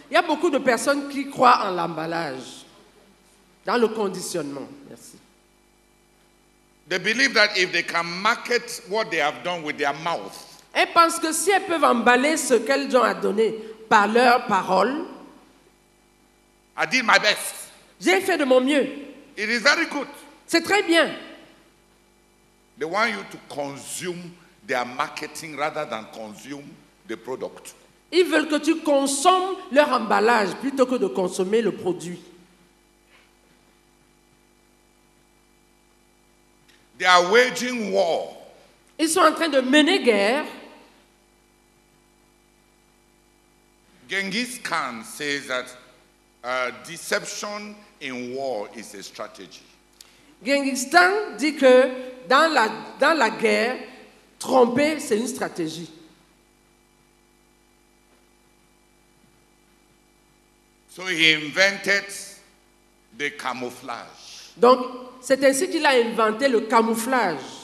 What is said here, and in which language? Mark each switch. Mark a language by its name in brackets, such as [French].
[French] Il y a beaucoup de personnes qui croient en l'emballage, dans le conditionnement. Merci. [English] They believe that if they can market what they have done with their mouth. [French] Elles pensent que si elles peuvent emballer ce qu'elles ont à donner par leurs paroles. [English] I did my best. [French] J'ai fait de mon mieux. [English] It is very good. [French] C'est très bien. [English] They want you to consume their marketing rather than consume the product. [French] Ils veulent que tu consommes leur emballage plutôt que de consommer le produit. [English] They are waging war. [French] Ils sont en train de mener guerre. [English] Genghis Khan says that deception in war is a strategy. [French] Genghis Khan dit que dans la guerre, tromper c'est une stratégie. [English] So he invented the camouflage. [French] Donc, c'est ainsi qu'il a inventé le camouflage.